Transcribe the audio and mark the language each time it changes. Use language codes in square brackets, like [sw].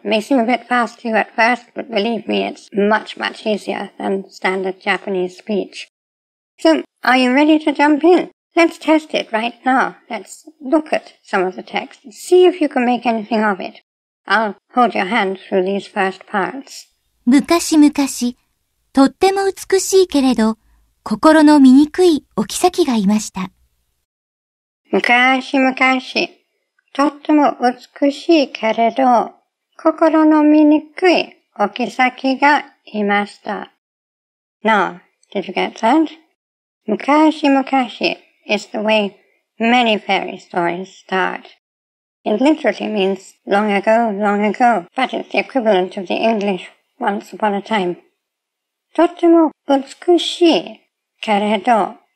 [en] It may seem a bit fast to you at first, but believe me, it's much, much easier than standard Japanese speech. So, are you ready to jump in? Let's test it right now. Let's look at some of the text and see if you can make anything of it. I'll hold your hand through these first parts. [ja] 昔々、とっても美しいけれど、心の醜いお妃がいました。昔々、とっても美しいけれど、心の醜いお妃がいました。 [en] Now, did you get that? 昔々、is the way many fairy stories start. It literally means long ago, long ago, but it's the equivalent of the English once upon a time. [ja] とても美しいけれど。